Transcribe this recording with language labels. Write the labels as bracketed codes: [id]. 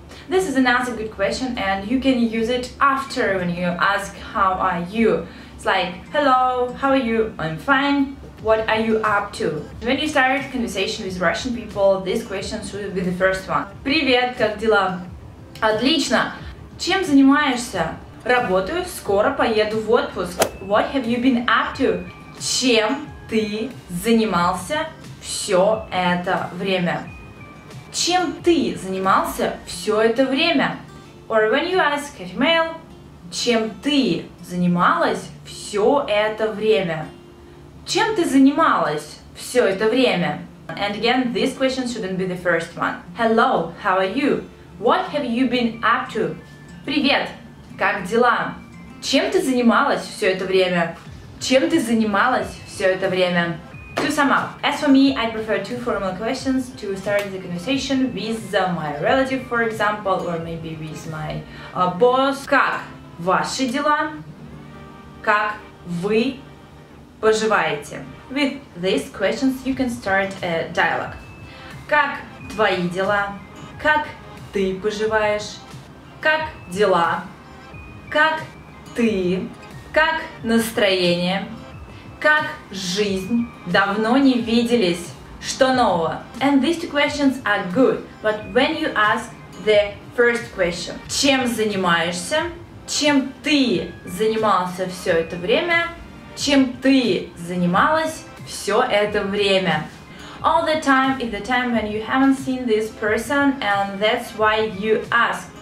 [en] This is another good question, and you can use it after when you ask how are you. It's like, hello, how are you? I'm fine. What are you up to? When you start conversation with Russian people, this question should be the first one. [ru] Привет, как дела? Отлично. Чем занимаешься? Работаю, скоро поеду в отпуск. [en] What have you been up to? [ru] Чем ты занимался все это время? Чем ты занимался все это время? [en] Or when you ask a female, [ru] чем ты занималась все это время? Чем ты занималась все это время? [en] And again, this question shouldn't be the first one. Hello, how are you? What have you been up to? [ru] Привет, как дела? Чем ты занималась все это время? Чем ты занималась все это время? [en] To sum up, as for me, I prefer two formal questions to start the conversation with my relative, for example, or maybe with my boss. [ru] Как ваши дела? Как вы поживаете? [en] With these questions you can start a dialogue. [ru] Как твои дела? Как ты поживаешь? Как дела? Как ты? Как настроение? Как жизнь? Давно не виделись. Что нового? [en] And these two questions are good, but when you ask the first question, [ru] чем занимаешься? Чем ты занимался все это время? Чем ты занималась все это время? [en] All the time is the time when you haven't seen this person, and that's why you ask.